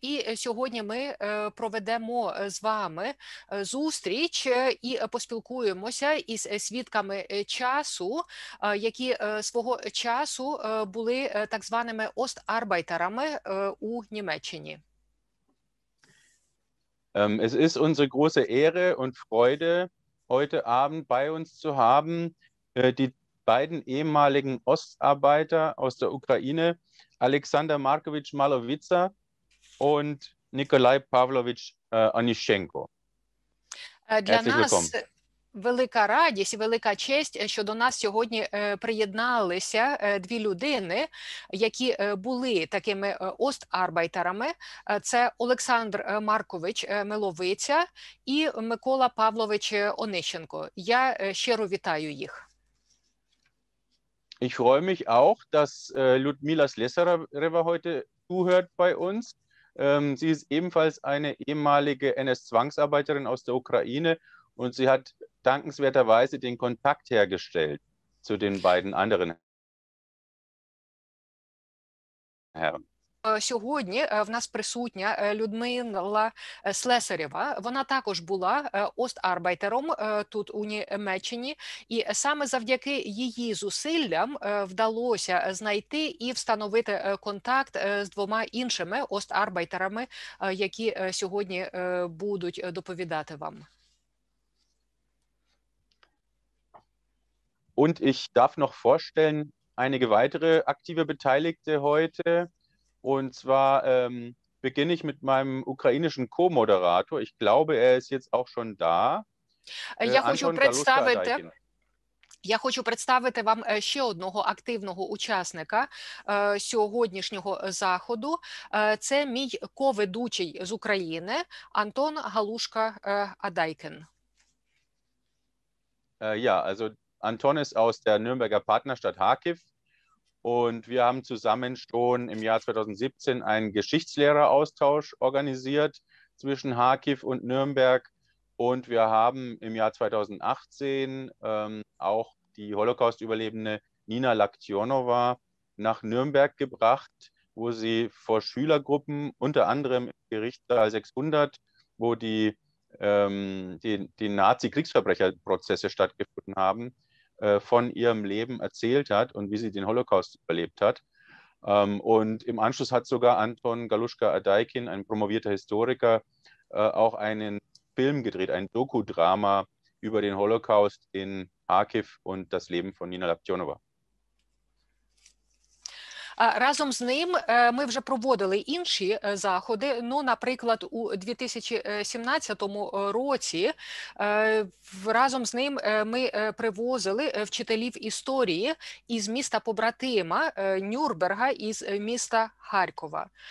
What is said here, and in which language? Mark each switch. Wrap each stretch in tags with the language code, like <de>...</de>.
<uk>І сьогодні ми проведемо з вами зустріч і поспілкуємося із свідками часу, які свого часу були так званими остарбайтерами у Німеччині.</uk> <de>Es ist unsere große Ehre und Freude, heute Abend bei uns zu haben, die beiden ehemaligen Ostarbeiter aus der Ukraine, Alexander Markovic Malowica und Nikolai Pavlovic Onischenko. Herzlich willkommen.</de> <uk>Велика радість і велика честь, що до нас сьогодні приєдналися дві людини, які були такими остарбайтерами. Це Олександр Маркович Миловиця і Микола Павлович Онищенко. Я щиро вітаю їх.</uk> <de>Ich freue mich auch, dass Людмила Слесарева heute zuhört bei uns. Sie ist ebenfalls eine ehemalige NS-Zwangsarbeiterin aus der Ukraine, und sie hat dankenswerterweise den Kontakt hergestellt zu den beiden anderen Herren.</de> <uk>Сьогодні в нас присутня Людмила Слесарєва. Вона також була остарбайтером тут у Німеччині, і саме завдяки її зусиллям вдалося знайти і встановити контакт з двома іншими остарбайтерами, які сьогодні будуть доповідати вам.</uk> <de>Und ich darf noch vorstellen, einige weitere aktive Beteiligte heute. Und zwar beginne ich mit meinem ukrainischen Co-Moderator. Ich glaube, er ist jetzt auch schon da. Anton Galuska Adaikin.</de> <uk>Я хочу представити вам ще одного активного учасника сьогоднішнього заходу. Це мій ко-ведучий з України Антон Галушка Адайкін.</uk> <de>Anton ist aus der Nürnberger Partnerstadt Kharkiv, und wir haben zusammen schon im Jahr 2017 einen Geschichtslehreraustausch organisiert zwischen Kharkiv und Nürnberg, und wir haben im Jahr 2018 auch die Holocaust-Überlebende Nina Laktionova nach Nürnberg gebracht, wo sie vor Schülergruppen, unter anderem im Gerichtssaal 600, wo die Nazi-Kriegsverbrecherprozesse stattgefunden haben, von ihrem Leben erzählt hat und wie sie den Holocaust überlebt hat. Und im Anschluss hat sogar Anton Galuschka Adaikin, ein promovierter Historiker, auch einen Film gedreht, ein Dokudrama über den Holocaust in Kharkiv und das Leben von Nina Laktionova.</de> <uk>Разом з ним ми вже проводили інші заходи, ну, наприклад, у 2017 році разом з ним ми привозили вчителів історії із міста-побратима Нюрнберга, із міста Харкова.</uk>